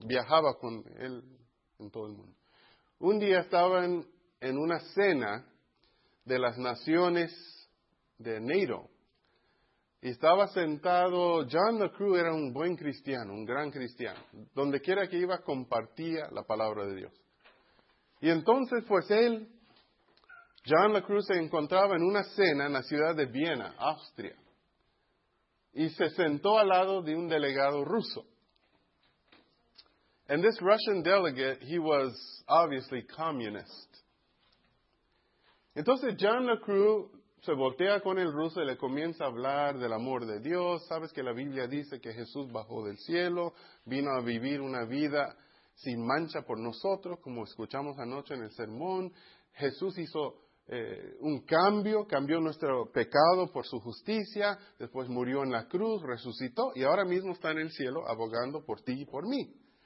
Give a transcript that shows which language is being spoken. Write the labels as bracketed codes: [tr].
[es] Viajaba con él en todo el mundo. Un día estaban en una cena de las naciones de NATO, y estaba sentado, John LeCrew era un buen cristiano, un gran cristiano. Donde quiera que iba, compartía la palabra de Dios. Y entonces, pues él Jean Lacroix se encontraba en una cena en la ciudad de Viena, Austria, y se sentó al lado de un delegado ruso. [en] And this Russian delegate, he was obviously communist. [es] Entonces Jean Lacroix se voltea con el ruso y le comienza a hablar del amor de Dios. Sabes que la Biblia dice que Jesús bajó del cielo, vino a vivir una vida sin mancha por nosotros, como escuchamos anoche en el sermón. Jesús hizo un cambio, cambió nuestro pecado por su justicia, después murió en la cruz, resucitó, y ahora mismo está en el cielo abogando por ti y por mí.